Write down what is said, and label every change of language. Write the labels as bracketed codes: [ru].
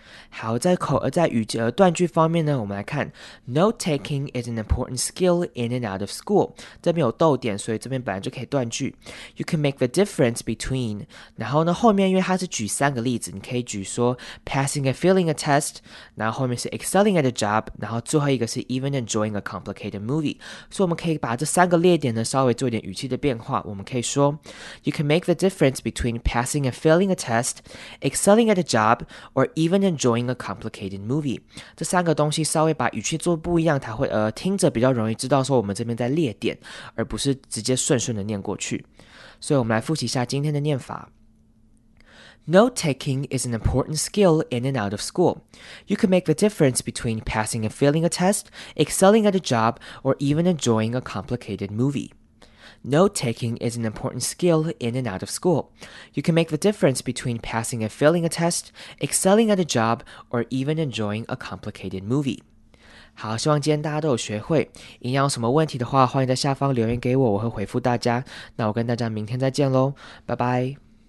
[zh] 好，在语句断句方面呢，我们来看 [en] note taking is an important skill in and out of school。 [zh] 这边有逗点，所以这边本来就可以断句。 [en] You can make the difference between。 [zh] 然后呢，后面因为它是举三个例子，你可以举说 [en] passing and failing a test， [zh] 然后后面是 [en] excelling at a job， [zh] 然后最后一个是 [en] even enjoying a complicated movie。 [zh] 所以我们可以把这三个列点呢稍微做一点语气的变化。我们可以说 ， [en] You can make the difference between passing and failing a test， excelling at a job， or even enjoying a complicated movie， [zh] 这三个东西稍微把语气做不一样，它会听着比较容易知道说我们这边在列点，而不是直接顺顺的念过去。所以我们来复习一下今天的念法。 [en] Note-taking is an important skill in and out of school. You can make the difference between passing and failing a test, excelling at a job, or even enjoying a complicated movie. Note-taking is an important skill in and out of school. You can make the difference between passing and failing a test, excelling at a job, or even enjoying a complicated movie. [zh] 好，希望今天大家都有学会。营养有什么问题的话，欢迎在下方留言给我，我会回复大家。那我跟大家明天再见咯，拜拜。